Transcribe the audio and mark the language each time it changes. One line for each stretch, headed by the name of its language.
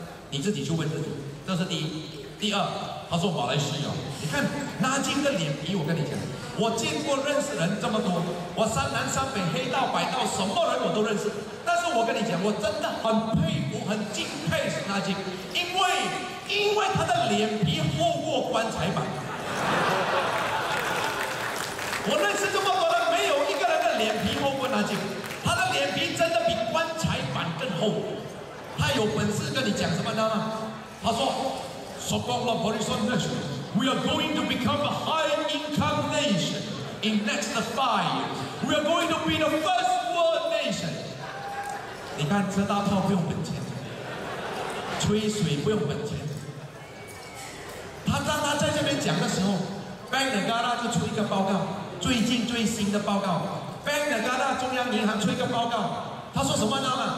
Chinese: 你自己去问自己，这是第一。第二，他说马来西亚，你看拉金的脸皮，我跟你讲，我见过认识人这么多，我三南三北黑道白道什么人我都认识，但是我跟你讲，我真的很佩服很敬佩拉金，因为他的脸皮厚过棺材板。我认识这么多人，没有一个人的脸皮厚过拉金，他的脸皮真的比棺材板更厚。他有本事跟你讲什么呢？他说
English: So called the Borisov nation, we are going to become a high income nation in next 5 years. We are going to be the first world nation.
Chinese: 你看，吃大炮不用本钱，吹水不用本钱。他当他在这边讲的时候 ，Bank Negara 就出一个报告，最近最新的报告 ，Bank Negara 中央银行出一个报告，他说什么呢？